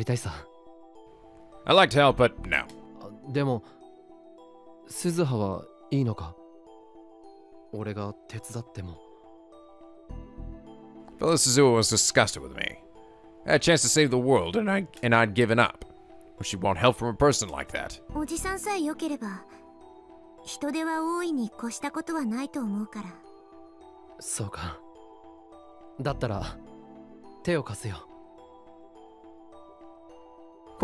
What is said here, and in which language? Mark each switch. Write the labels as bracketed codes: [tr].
[ja] ナオカリン、協力してくれよ。マユリの養女なんだろ。だったら見つけてやりたいさ。 [en] I'd like to help, but no. [ja] でも、スズハはいいのか?俺が手伝っても。 [en] Well, Suzuha was disgusted with me. I had a chance to save the world, and I'd given up. But she'd want help from a person like that. [ja] おじさんさえ良ければ。人では多いに越したことはないと思うから。そうか。だったら、手を貸すよ。 [en] Of